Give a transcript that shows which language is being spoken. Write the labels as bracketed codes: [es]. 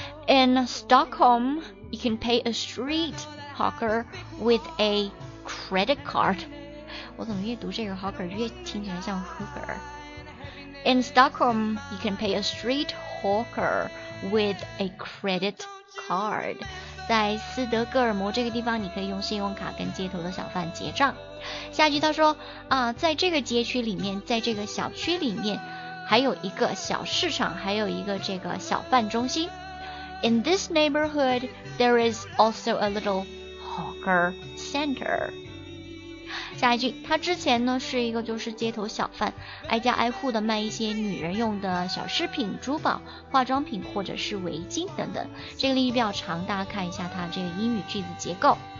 [en] In Stockholm you can pay a street hawker with a credit card。 [zh] 我怎么越读这个 hawker 越听起来像 hooker。 [en] In Stockholm, you can pay a street hawker with a credit card. [zh] 在斯德哥尔摩这个地方，你可以用信用卡跟街头的小贩结账。下一句他说，在这个街区里面，在这个小区里面，还有一个小市场，还有一个这个小贩中心。 [en] In this neighborhood, there is also a little hawker center. [zh] 下一句，他之前呢是一个就是街头小贩，挨家挨户的卖一些女人用的小饰品、珠宝、化妆品或者是围巾等等。这个例句比较长，大家看一下他这个英语句子结构。